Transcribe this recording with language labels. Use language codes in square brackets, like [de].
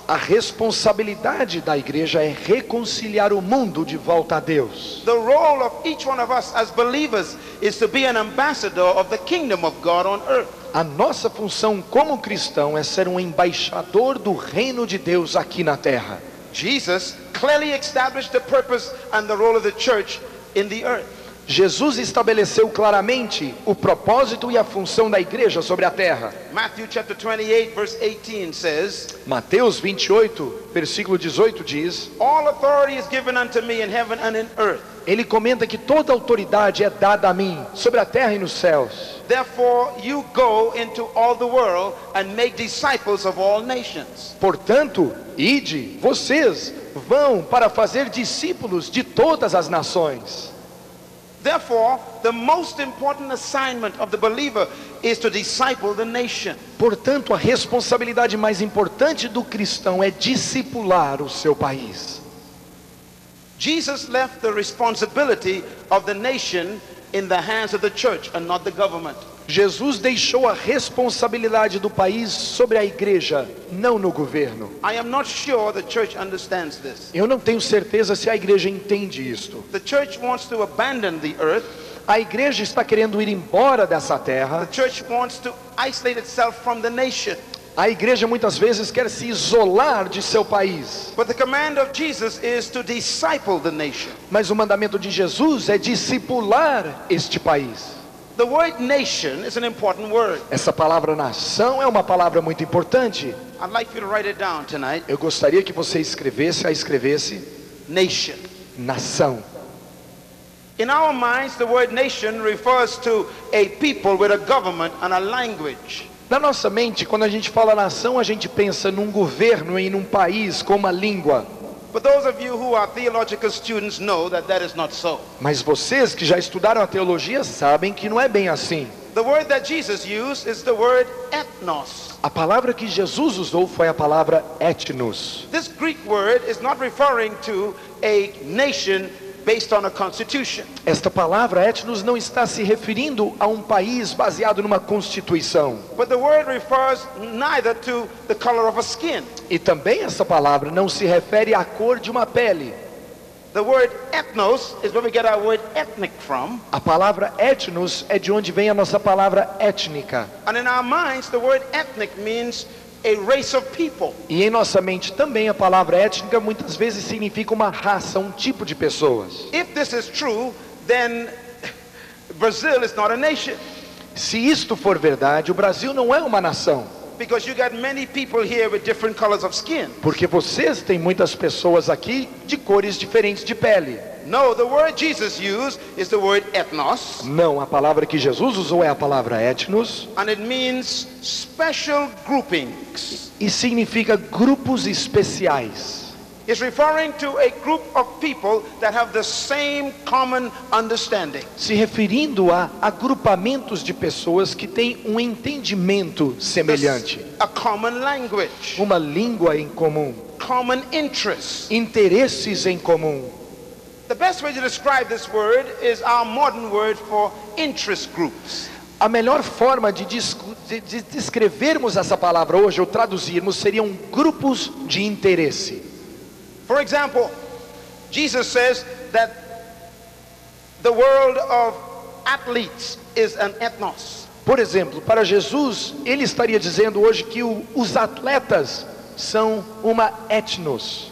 [pt] A responsabilidade da igreja é reconciliar o mundo de volta a Deus. [en] The role of each one of us as believers is to be an ambassador of the kingdom of God on earth. [pt] A nossa função como cristão é ser um embaixador do reino de Deus aqui na terra. [en] Jesus clearly established the purpose and the role of the church in the earth. [pt] Jesus estabeleceu claramente o propósito e a função da igreja sobre a terra. [en] Matthew chapter 28 verse 18 says, [pt] Mateus 28 versículo 18 diz, [en] "All authority is given unto me in heaven and in earth." [pt] Ele comenta que toda autoridade é dada a mim sobre a terra e nos céus. [en] Therefore, you go into all the world and make disciples of all nations. [pt] Portanto, ide, vocês vão para fazer discípulos de todas as nações. [en] Therefore, the most important assignment of the believer is to disciple the nation. [pt] Portanto, a responsabilidade mais importante do cristão é discipular o seu país. [en] Jesus left the responsibility of the nation in the hands of the church and not the government. [pt] Jesus deixou a responsabilidade do país sobre a igreja, não no governo. [en] I am not sure the church understands this. [pt] Eu não tenho certeza se a igreja entende isto. [en] The church wants to abandon the earth. [pt] A igreja está querendo ir embora dessa terra. [en] The church wants to isolate itself from the nation. [pt] A igreja muitas vezes quer se isolar de seu país. [en] But the command of Jesus is to disciple the nation. [pt] Mas o mandamento de Jesus é discipular este país. [en] The word nation is an important word. [pt] Essa palavra nação é uma palavra muito importante. [en] I'd like you to write it down tonight. [pt] Eu gostaria que você escrevesse [en] nation. [pt] Nação. [en] In our minds, the word nation refers to a people with a government and a language. [pt] Na nossa mente, quando a gente fala nação, a gente pensa num governo e num país com uma língua. [en] But those of you who are theological students know that that is not so. [pt] Mas vocês que já estudaram a teologia sabem que não é bem assim. [en] The word that Jesus used is the word ethnos. [pt] A palavra que Jesus usou foi a palavra ethnos. [en] This Greek word is not referring to a nation based on a constitution. [pt] Esta palavra ethnos não está se referindo a um país baseado numa constituição. [en] But the word refers neither to the color of a skin. [pt] E também essa palavra não se refere à cor de uma pele. [en] The word ethnos is where we get our word ethnic from. [pt] A palavra ethnos é de onde vem a nossa palavra étnica. [en] And in our minds, the word ethnic means a race of people. [pt] E em nossa mente também a palavra étnica muitas vezes significa uma raça, um tipo de pessoas. [en] If this is true, then Brazil is not a nation. [pt] Se isto for verdade, o Brasil não é uma nação. [en] Because you got many people here with different colors of skin. [pt] Porque vocês têm muitas pessoas aqui de cores diferentes de pele. [en] No, the word Jesus used is the word ethnos. [pt] Não, a palavra que Jesus usou é a palavra ethnos. [en] And it means special groupings. [pt] E significa grupos especiais. [en] It's referring to a group of people that have the same common understanding. [pt] Se referindo a agrupamentos de pessoas que têm entendimento semelhante. [en] A common language. [pt] Uma língua em comum. [en] Common interests. [pt] Interesses em comum. [en] The best way to describe this word is our modern word for interest groups. [pt] A melhor forma de descrevermos essa palavra hoje ou traduzirmos seriam grupos de interesse. [en] For example, Jesus says that the world of athletes is an ethnos. [pt] Por exemplo, para Jesus, ele estaria dizendo hoje que os atletas são uma ethnos.